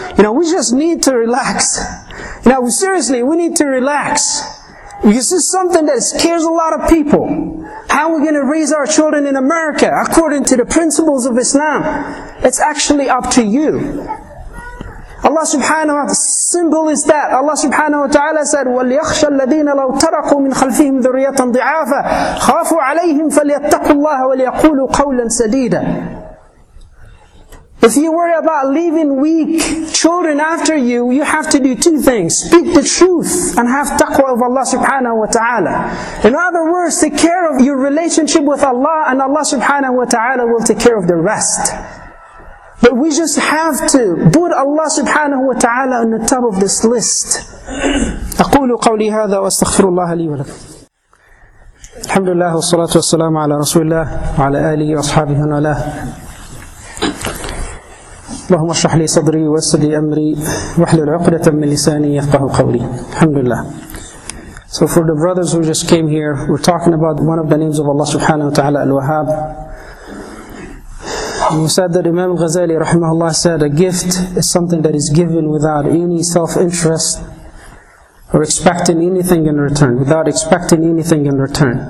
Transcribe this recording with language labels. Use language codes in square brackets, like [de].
[en] You know, we just need to relax. You know, seriously, we need to relax. This is something that scares a lot of people. How are we going to raise our children in America according to the principles of Islam? It's actually up to you. Allah subhanahu wa ta'ala, simple is that. [ar] Allah subhanahu wa ta'ala said, وَلْيَخْشَ الَّذِينَ لَوْ تَرَقُوا مِنْ خَلْفِهِمْ ذُرِّيَّةً ضِعَافًا خَافُوا عَلَيْهِمْ فَلْيَتَّقُوا اللَّهَ وَلْيَقُولُوا قَوْلًا سَدِيدًا. [en] If you worry about leaving weak children after you, you have to do two things. Speak the truth and have taqwa of Allah subhanahu wa ta'ala. In other words, take care of your relationship with Allah and Allah subhanahu wa ta'ala will take care of the rest. But we just have to put Allah subhanahu wa ta'ala on the top of this list. [ar] أقول قولي هذا واستغفر الله لي ولك. الحمد لله والصلاة والسلام على رسول الله وعلى آله وأصحابه من والاه. اللهم اشرح لي صدري ويسر لي امري واحلل عقدة من لساني يفقهوا قولي. الحمد لله. [en] So for the brothers who just came here, we're talking about one of the names of Allah subhanahu wa ta'ala, Al-Wahhab. And we said that Imam Ghazali rahimahullah said, a gift is something that is given without any self-interest or expecting anything in return, without expecting anything in return.